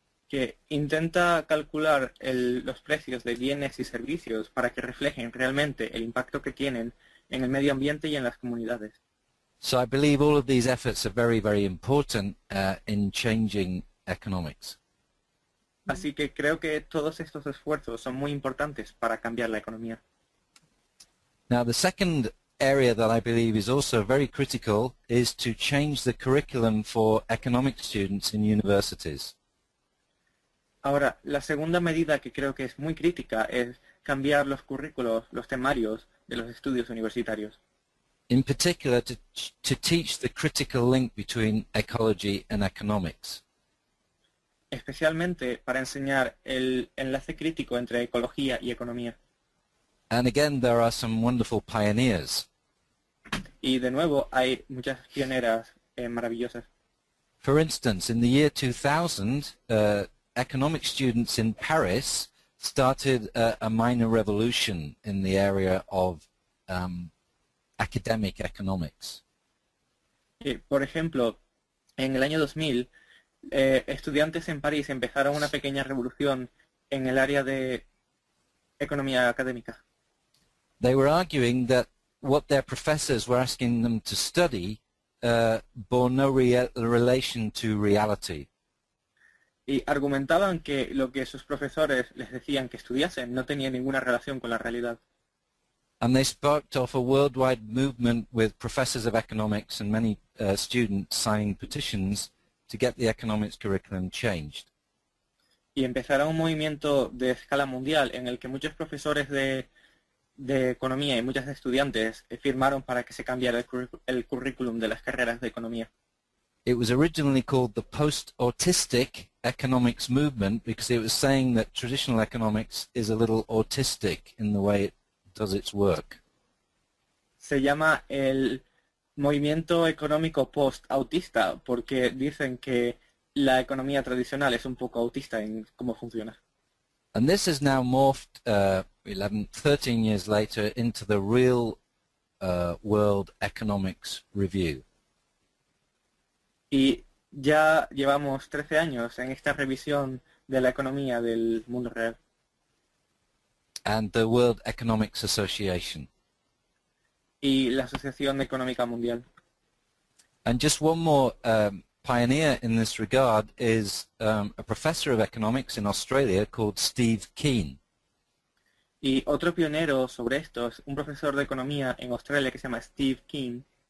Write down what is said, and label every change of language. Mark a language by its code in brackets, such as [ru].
[es] Que intenta calcular los precios de bienes y servicios para que reflejen realmente el impacto que tienen en el medio ambiente y en las comunidades. [en] So I believe all of these efforts are very, very important in changing economics. [es] Así que creo que todos estos esfuerzos son muy importantes para cambiar la economía. [en] Now the second area that I believe is also very critical is to change the curriculum for economic students in universities. [es] Ahora, la segunda medida que creo que es muy crítica es cambiar los currículos, los temarios de los estudios universitarios. [en] In particular, to teach the critical link between ecology and economics. [es] Especialmente para enseñar el enlace crítico entre ecología y economía. [en] And again, there are some wonderful pioneers. [es] Y de nuevo, hay muchas pioneras maravillosas. [en] For instance, in the year 2000, economic students in Paris started a minor revolution in the area of academic economics. [es] Por ejemplo, en el año 2000, estudiantes en París empezaron una pequeña revolución en el área de economía académica. [en] They were arguing that what their professors were asking them to study bore no relation to reality. [es] Y argumentaban que lo que sus profesores les decían que estudiasen no tenía ninguna relación con la realidad. [en] And they sparked off a worldwide movement with professors of economics and many students signing petitions to get the economics curriculum changed. [es] Y empezará un movimiento de escala mundial en el que muchos profesores de economía y muchas estudiantes firmaron para que se cambiara el currículum de las carreras de economía. [en] It was originally called the post-autistic economics movement because it was saying that traditional economics is a little autistic in the way it does its work. [es] Se llama el movimiento económico post-autista porque dicen que la economía tradicional es un poco autista en cómo funciona. [en] And this has now morphed 13 years later into the real World Economics Review. [es] Y ya llevamos 13 años en esta revisión de la economía del mundo real. [en] And the World Economics Association. [es] Y la Asociación Económica Mundial. [en] And just one more pioneer in this regard is a professor of economics in Australia called Steve Keen. [es] Y otro pionero sobre esto es un profesor de economía en Australia que se llama Steve Keen.